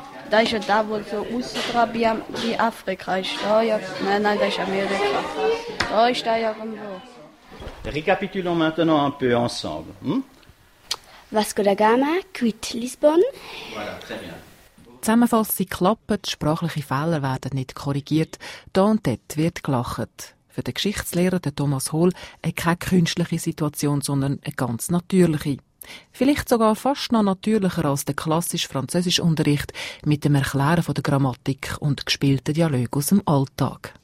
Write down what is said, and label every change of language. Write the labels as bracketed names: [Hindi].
[German] Das ist ja da, wo so Australien wie Afrika ist. Da ja, nein, das ist Amerika. Da ist da ja irgendwo. [French] Récapitulons maintenant un peu ensemble. Vasco da Gama, quitte Lisbonne. [German] Zusammenfassung klappt, sprachliche Fehler werden nicht korrigiert, da und dort wird gelacht. Für den Geschichtslehrer, den Thomas Hohl, keine künstliche Situation, sondern eine ganz natürliche. Vielleicht sogar fast noch natürlicher als der klassische Französischunterricht mit dem Erklären von der Grammatik und gespielten Dialogen aus dem Alltag.